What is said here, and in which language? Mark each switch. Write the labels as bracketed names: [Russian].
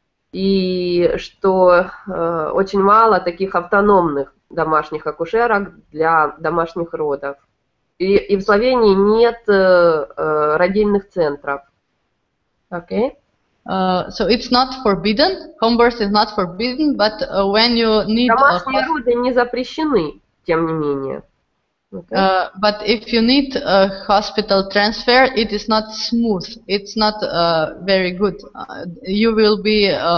[Russian] и что очень мало таких автономных домашних акушерок для домашних родов. И в Словении нет родильных центров. [English] Okay. So it's not forbidden. Home birth is not forbidden, but when you need [Russian] домашние роды не запрещены, тем не менее. [English] Okay. But if you need a hospital transfer, it is not smooth. It's not very good. You will be